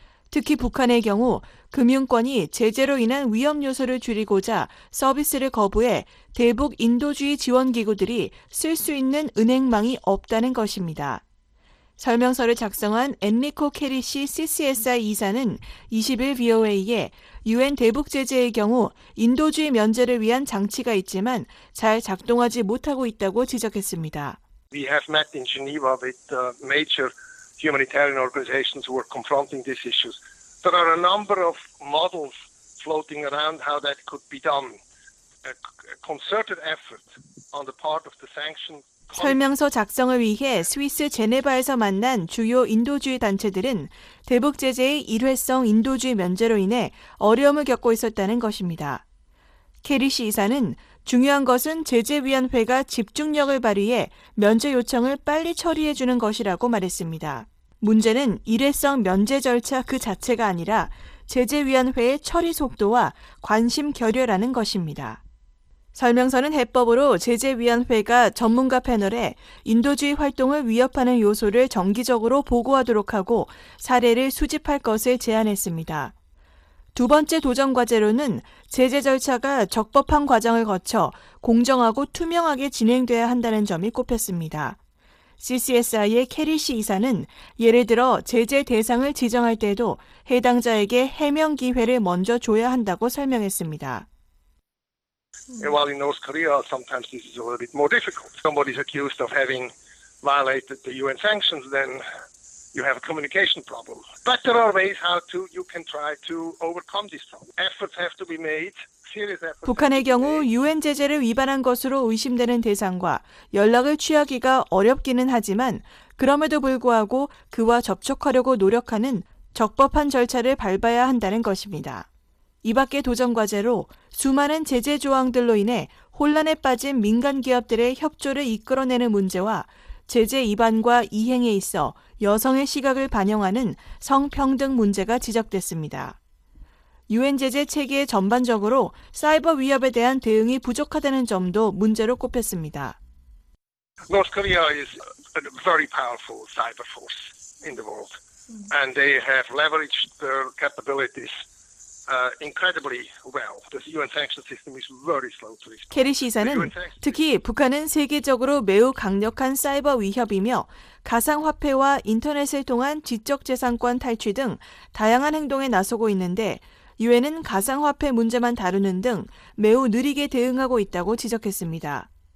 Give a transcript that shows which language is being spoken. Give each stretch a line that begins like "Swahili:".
Korean: 특히 북한의 경우 금융권이 제재로 인한 위험 요소를 줄이고자 서비스를 거부해 대북 인도주의 지원기구들이 쓸 수 있는 은행망이 없다는 것입니다. 설명서를 작성한 엔리코 캐리 씨 CCSI 이사는 20일 VOA에 유엔 대북 제재의 경우 인도주의 면제를 위한 장치가 있지만 잘 작동하지 못하고 있다고 지적했습니다.
English: We have met in Geneva with the major humanitarian organizations who are confronting these issues. There are a number of models floating around how that could be done. A concerted effort on the part of the sanctioned
Korean: 설명서 작성을 위해 스위스 제네바에서 만난 주요 인도주의 단체들은 대북 제재의 일회성 인도주의 면제로 인해 어려움을 겪고 있었다는 것입니다. 캐리 씨 이사는 중요한 것은 제재위원회가 집중력을 발휘해 면제 요청을 빨리 처리해주는 것이라고 말했습니다. 문제는 일회성 면제 절차 그 자체가 아니라 제재위원회의 처리 속도와 관심 결여라는 것입니다. 설명서는 해법으로 제재위원회가 전문가 패널에 인도주의 활동을 위협하는 요소를 정기적으로 보고하도록 하고 사례를 수집할 것을 제안했습니다. 두 번째 도전 과제로는 제재 절차가 적법한 과정을 거쳐 공정하고 투명하게 진행돼야 한다는 점이 꼽혔습니다. CCSI의 캐리 씨 이사는 예를 들어 제재 대상을 지정할 때도 해당자에게 해명 기회를 먼저 줘야 한다고 설명했습니다.
English: While in North Korea, sometimes this is a little bit more difficult. Somebody is accused of having violated the UN sanctions, then you have a communication problem. But there are ways how to you can try to overcome this problem. Efforts have to be made.
Korean: 북한의 경우 유엔 제재를 위반한 것으로 의심되는 대상과 연락을 취하기가 어렵기는 하지만 그럼에도 불구하고 그와 접촉하려고 노력하는 적법한 절차를 밟아야 한다는 것입니다. 이 밖의 도전 과제로 수많은 제재 조항들로 인해 혼란에 빠진 민간 기업들의 협조를 이끌어내는 문제와 제재 위반과 이행에 있어 여성의 시각을 반영하는 성평등 문제가 지적됐습니다. 유엔 제재 체계 전반적으로 사이버 위협에 대한 대응이 부족하다는 점도 문제로 꼽혔습니다.
English: North Korea is a very powerful cyber force in the world, and they have leveraged their capabilities incredibly well. The UN sanction system is very slow to respond.
Korean: 캐리 시사는 특히 북한은 세계적으로 매우 강력한 사이버 위협이며 가상화폐와 인터넷을 통한 지적 재산권 탈취 등 다양한 행동에 나서고 있는데 유엔은 가상화폐 문제만 다루는 등 매우 느리게 대응하고 있다고 지적했습니다.